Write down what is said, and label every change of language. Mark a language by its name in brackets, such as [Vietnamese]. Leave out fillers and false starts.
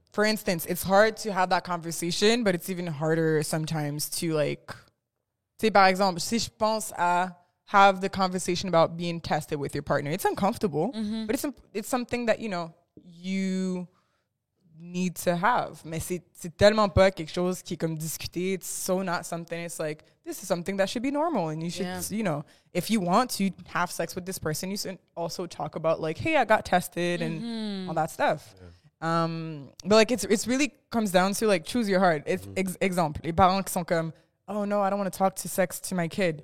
[English] For instance, it's hard to have that conversation, but it's even harder sometimes to, like, say, [French] par exemple, si je pense à [English] have the conversation about being tested with your partner. It's uncomfortable, mm-hmm. but it's something that, you know, you need to have. [French] Mais c'est tellement pas quelque chose qui est comme discuté. [English] It's so not something. It's like, this is something that should be normal. And you should, you know, if you want to have sex with this person, you should also talk about, like, hey, I got tested mm-hmm. and all that stuff. Yeah. But, like, it's really comes down to, like, choose your heart. Mm-hmm. [French] Exemple, les parents qui sont comme, [English] oh, no, I don't want to talk to sex to my kid.